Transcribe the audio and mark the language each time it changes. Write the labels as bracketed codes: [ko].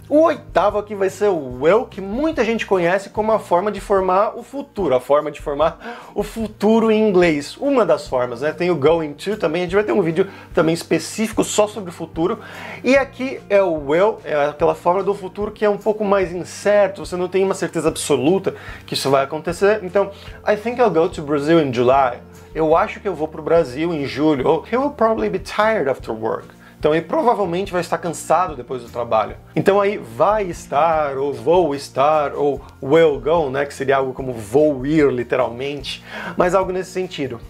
[pt] O oitavo aqui vai ser o will, que muita gente conhece como a forma de formar o futuro, a forma de formar o futuro em inglês. Uma das formas, né? Tem o going to também, a gente vai ter um vídeo também específico só sobre o futuro. E aqui é o will, é aquela forma do futuro que é um pouco mais incerto, você não tem uma certeza absoluta que isso vai acontecer. [en] Então, I think I'll go to Brazil in July. [pt] Eu acho que eu vou pro Brasil em julho. [en] He will probably be tired after work. [pt] Então ele provavelmente vai estar cansado depois do trabalho. Então aí vai estar, ou vou estar, ou will go, né? Que seria algo como vou ir, literalmente. Mas algo nesse sentido.